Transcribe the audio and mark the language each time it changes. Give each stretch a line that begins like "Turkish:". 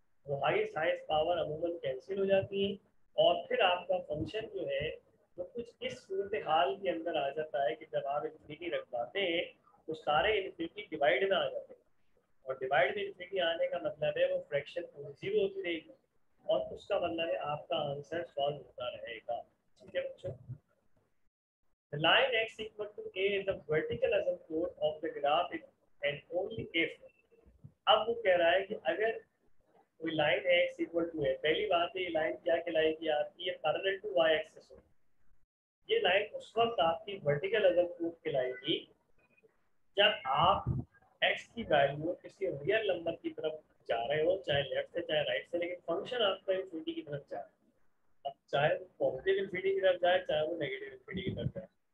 Hindi: वो highest highest power अमूमन cancel हो जाती है और फिर आपका फंक्शन जो है वो तो कुछ इस सूरत हाल के अंदर आ जाता है कि जब आप इन्फिनिटी रखवाते हैं तो सारे इन्फिनिटी डिवाइड में आ जाते हैं, और डिवाइड में इन्फिनिटी आने का मतलब है वो फ्रैक्शन जीरो होती रहेगी और उसका मतलब है आपका आंसर सॉल्व होता रहेगा। ठीक है बच्चों,
English: The line x equal to a is a vertical asymptote of the graph in, and only if.
Hindi: अब वो कह रहा है कि अगर कोई line x equal to a, पहली बात है ये लाइन क्या कहलाएगी आपकी, ये
English: parallel to y axis
Hindi: हो, ये लाइन उस वक्त आपकी वर्टिकल asymptote कहलाएगी जब आप x की वैल्यू किसी रियल नंबर की तरफ जा रहे हो, चाहे लेफ्ट से चाहे राइट से, लेकिन फंक्शन आपका इन्फिनिटी की तरफ जा रहा है, चाहे वो पॉजिटिव इन्फिनिटी की तरफ जाए चाहे वो नेगेटिव इन्फिनिटी की तरफ जाए।